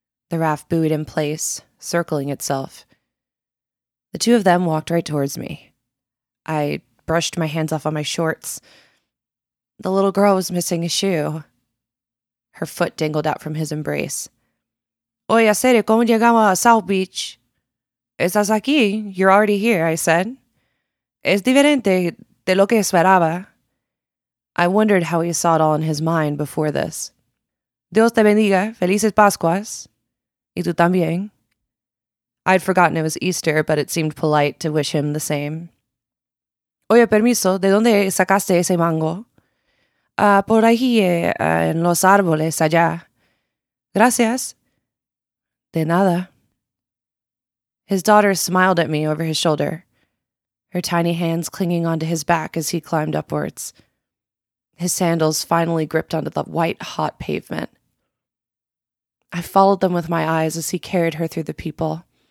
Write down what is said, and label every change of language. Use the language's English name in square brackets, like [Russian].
[English] The raft buoyed in place, circling itself. The two of them walked right towards me. I brushed my hands off on my shorts. The little girl was missing a shoe. Her foot dangled out from his embrace. [Spanish] Oye, Cere, ¿cómo llegamos a South Beach? Estás aquí. [English] You're already here, I said. [Spanish] Es diferente de lo que esperaba. [English] I wondered how he saw it all in his mind before this. [Spanish] Dios te bendiga. Felices Pascuas. Y tú también. [English] I'd forgotten it was Easter, but it seemed polite to wish him the same. [Spanish] Oye, permiso, ¿de dónde sacaste ese mango? Por ahí, en los árboles allá. Gracias. De nada. [English] His daughter smiled at me over his shoulder, her tiny hands clinging onto his back as he climbed upwards. His sandals finally gripped onto the white-hot pavement. I followed them with my eyes as he carried her through the people.